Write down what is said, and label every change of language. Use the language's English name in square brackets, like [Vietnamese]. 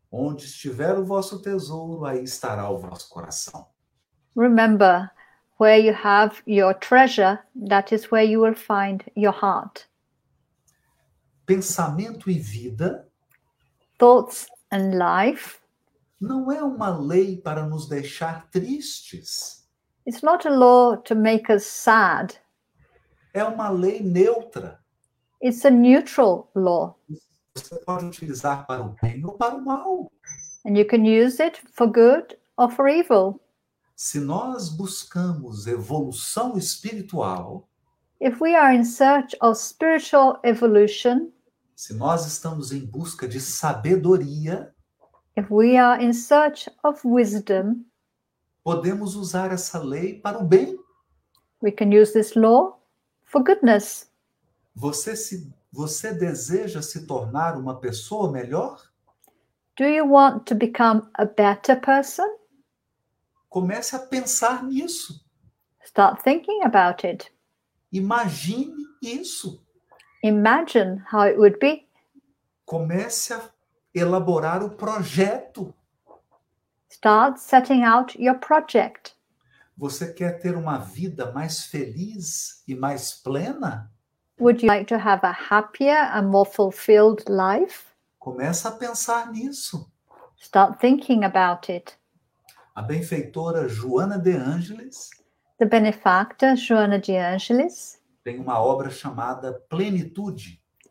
[Portuguese] Onde estiver o vosso tesouro, aí estará o vosso coração. [English] Remember, where you have your treasure, that is where you will find your heart. [Portuguese] Pensamento e vida. [English] Thoughts and life. [Portuguese] Não é uma lei para nos deixar tristes. [English] It's not a law to make us sad. [Portuguese] É uma lei neutra. [English] It's a neutral law. [Portuguese] você pode utilizar para o bem ou para o mal. [English] And you can use it for good or for evil. [Portuguese] Se nós buscamos evolução espiritual, [English] if we are in search of spiritual evolution, [Portuguese] se nós estamos em busca de sabedoria, [English] if we are in search of wisdom, [Portuguese] podemos usar essa lei para o bem. [English] We can use this law for goodness. [Portuguese] Você deseja se tornar uma pessoa melhor? [English] Do you want to become a better person? [Portuguese] Comece a pensar nisso. [English] Start thinking about it. [Portuguese] Imagine isso. [English] Imagine how it would be. [Portuguese] Comece a elaborar o projeto. [English] Start setting out your project. [Portuguese] Você quer ter uma vida mais feliz e mais plena? [English] Would you like to have a happier and more fulfilled life? [Portuguese] Comece a pensar nisso. [English] Start thinking about it. [Portuguese] A benfeitora Joana de Angelis. [English] The benefactor Joana de Angelis. [Portuguese] Tem uma obra chamada Plenitude.